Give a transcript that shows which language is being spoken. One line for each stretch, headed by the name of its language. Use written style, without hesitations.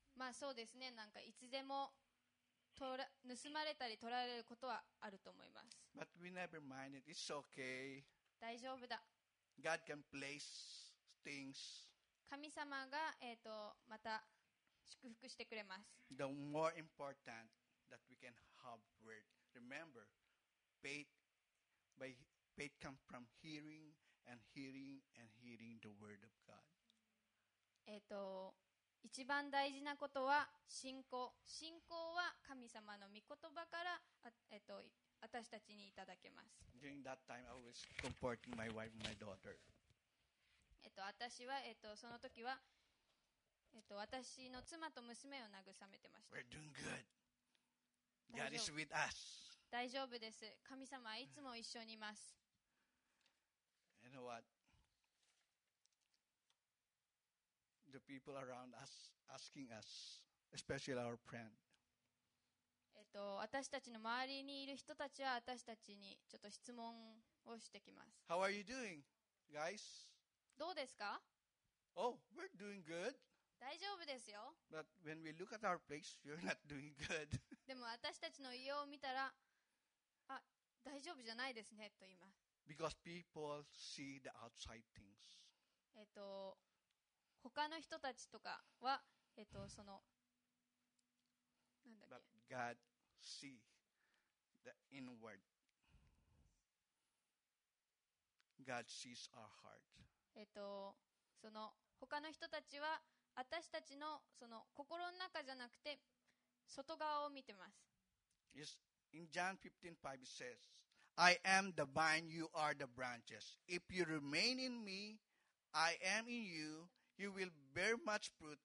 Japanese: まあそうですね。なんかいつでも盗まれたり取られることはあると思います。
English: But we never mind it. It's okay.
Japanese: 大丈夫だ。
English: God can place things.
Japanese: 神様がまた祝福してくれます。
English: The more important. That we can have word. Remember, faith comes from hearing and hearing and hearing the word of God.
Japanese: 一番大事なことは信仰。信仰は神様の御言葉から私たちにいただけます。
English: During that time, I was comforting my wife and my daughter.
Japanese: 私はその時は私の妻と娘を慰めてました。
English: We're doing good. God is with us.
Japanese: 大丈夫です。神様はいつも一緒にいます。
English: You know what? The people around us asking us, especially our friend.
Japanese: 私たちの周りにいる人たちは私たちにちょっと質問をしてきます。
English: How are you doing, guys?
Japanese: どうですか?
English: Oh, we're doing good.
Japanese: 大丈夫ですよ。
English: But when we look at our place, you're not doing good.
Japanese: でも私たちの家を見たら、あ、大丈夫じゃないですねと言います。
English: Because people see the outside things.
Japanese: 他の人たちとかは、なんだっけ。
English: But God see the inward. God sees our heart.
Japanese: その他の人たちは私たちのその心の中じゃなくて外側を見てます。
English: Yes, in John 15:5 it says, I am the vine, you are the branches. If you remain in me, I am in you, you will bear much fruit.